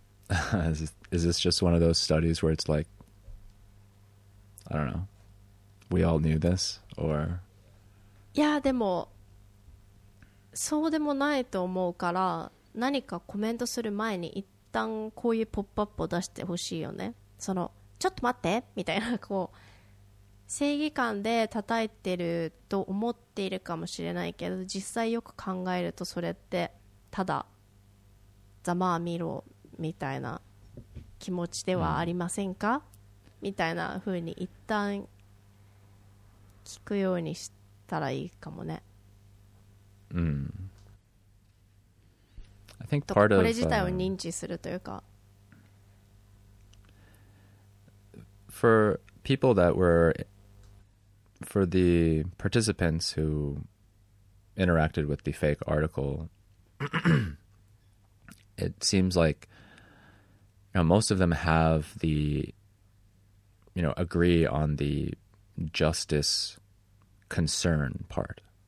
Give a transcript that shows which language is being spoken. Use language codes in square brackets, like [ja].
[en] Is this just one of those studies where it's like, I don't know, we all knew this, or? [ja] いやでもそうでもないと思うから、何かコメントする前に一旦こういうポップアップを出してほしいよね。そのちょっと待ってみたいな、こう正義感で叩いてると思っているかもしれないけど、実際よく考えるとそれってただざまあ見ろみたいな気持ちではありませんかみたいな風に一旦聞くようにしたらいいかもね。 [en] I think part [ja] これ自体を認知するというか。 [en] For people that were, for the participants who interacted with the fake article, it seems like, you know, most of them have the, you know, agree on the justice concern part.